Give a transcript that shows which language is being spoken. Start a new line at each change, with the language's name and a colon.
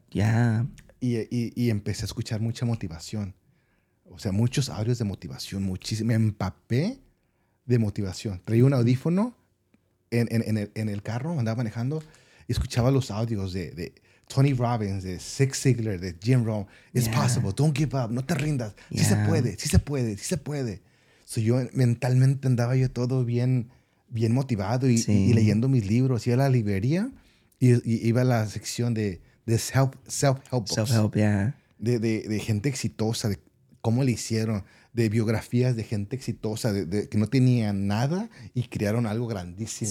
Spanish: Y empecé a escuchar mucha motivación. O sea, muchos audios de motivación, muchísimo. Me empapé de motivación. Traía un audífono en el carro, andaba manejando, y escuchaba los audios de Tony Robbins, de Zig Ziglar, de Jim Rohn.
English: It's possible, don't give up,
Spanish: no te rindas. Sí se puede. So yo mentalmente andaba yo todo bien, bien motivado y leyendo mis libros. Iba a la librería y iba a la sección de self-help books. De gente exitosa, de cómo le hicieron, de biografías de gente exitosa, de que no tenían nada y crearon algo grandísimo.